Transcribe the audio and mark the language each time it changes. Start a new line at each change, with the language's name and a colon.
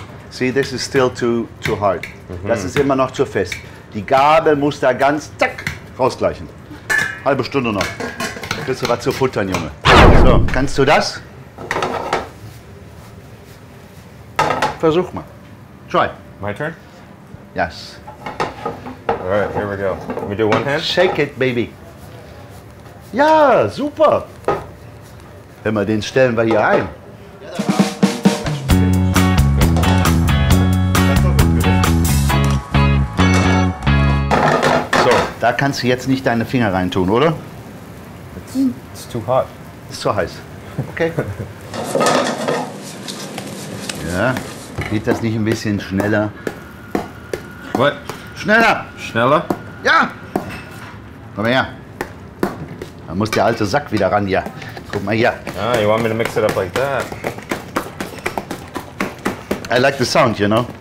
English: See, this is still too hard. Mm-hmm.
German: Das ist immer noch zu fest. Die Gabel muss da ganz, zack. Rausgleichen. Halbe Stunde noch. Da kriegst du was zu futtern, Junge. So, kannst du das? Versuch mal. Try.
English: My turn? Yes. Alright, here we go. Let me do one hand. Shake it, baby.
German: Ja, super. Hör mal, den stellen wir hier ein. Da kannst du jetzt nicht deine Finger reintun, oder?
English: It's too hot.
German: Ist zu heiß. Okay. Ja, geht das nicht ein bisschen schneller?
English: What?
German: Schneller! Schneller? Ja! Komm her. Da muss der alte Sack wieder ran, ja. Guck mal hier.
English: Ah, you want me to mix it up like that? I like the sound, you know?